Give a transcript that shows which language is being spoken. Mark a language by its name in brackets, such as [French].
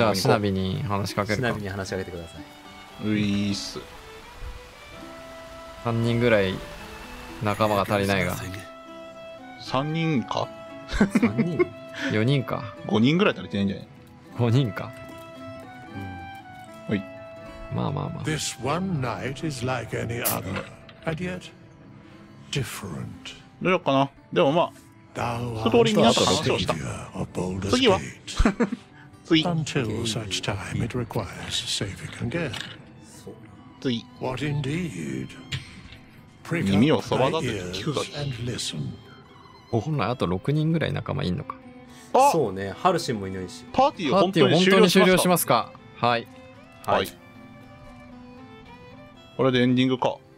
[Japanese] に。じゃあシナビに話しかけるか。シナビに話しかけてください。ういーす。 3人ぐらい仲間が足りないが。 3人か 3人4人か 5人ぐらい足りてないんじゃない。 5人か。まあまあまあ。 [English] This one night is like any other, and yet different. [Japanese] どうしようかな。でもまあ、一通り皆さん話をした。次は次。 [English] Until such time it requires saving again. [Japanese] 次。 [English] What indeed? [Japanese] 耳をそばだてて聞くがいい。本来あと6人ぐらい仲間いんのか。あ、そうね、ハルシンもいないし。パーティーを本当に終了しますか。終了しますか。はい、はい、はい。これでエンディングか。